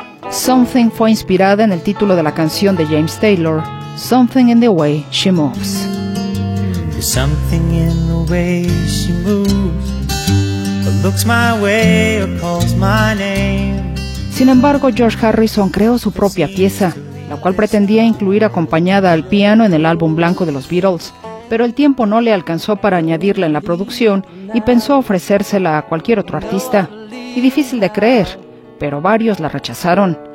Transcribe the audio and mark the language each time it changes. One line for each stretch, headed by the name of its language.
Spanish: Something fue inspirada en el título de la canción de James Taylor, Something in the Way She Moves.
English: There's something in the way she moves, or looks my way or calls my name.
Spanish: Sin embargo, George Harrison creó su propia pieza, la cual pretendía incluir acompañada al piano en el álbum blanco de los Beatles, pero el tiempo no le alcanzó para añadirla en la producción y pensó ofrecérsela a cualquier otro artista. Y difícil de creer, pero varios la rechazaron.